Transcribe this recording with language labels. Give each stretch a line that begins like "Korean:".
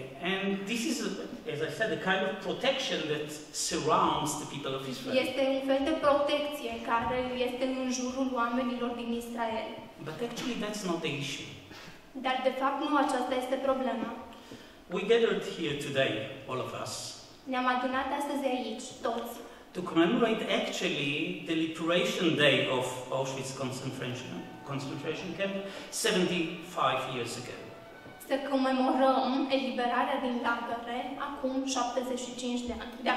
Romanian: And this is, as I said, the kind of protection that surrounds the people of Israel.
English: Este un fel de protecție care este în jurul oamenilor din Israel.
Romanian: But actually, that's not the issue.
English: Dar de fapt nu aceasta este problema.
Romanian: We gathered here today, all of us.
English: Ne-am adunat astăzi aici, toți. To commemorate actually the liberation day of Auschwitz concentration camp 75 years ago.
Romanian: Să comemorăm eliberarea din lagăre acum 75 de ani.